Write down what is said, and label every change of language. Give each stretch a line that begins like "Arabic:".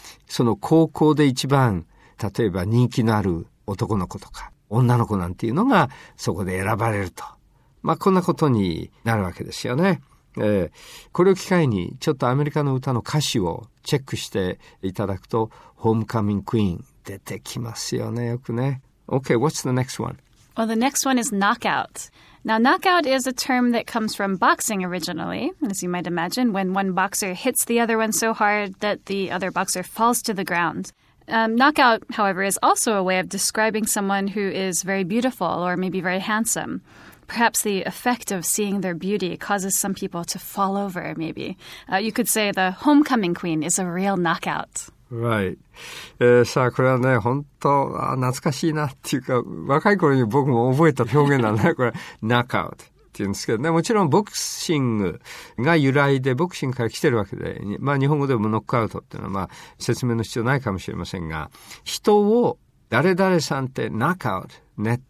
Japanese: その高校で一番、例えば人気のある男の子とか、女の子なんていうのが、そこで選ばれると。まあ、こんなことになるわけですよね。これを機会に、ちょっとアメリカの歌の歌詞をチェックしていただくと、ホームカミングクイーン、出てきますよね、よくね。
English: Okay, what's the next one? Well, the next one is knockout. Now, knockout is a term that comes from boxing originally, as you might imagine, when one boxer hits the other one so hard that the other boxer falls to the ground. Knockout, however, is also a way of describing someone who is very beautiful or maybe very handsome. Perhaps the effect of seeing their beauty causes some people to fall over, maybe. You could say the homecoming queen is a real knockout. Right.
Japanese: さあ、これはね、本当、懐かしいなっていうか、若い頃に僕も覚えた表現なんだね。これ、knockout って言うんですけどね。もちろん、ボクシングが由来で、ボクシングから来てるわけで、まあ、日本語でもノックアウトっていうのは、まあ、説明の必要ないかもしれませんが、人を、誰々さんって、knockout ね。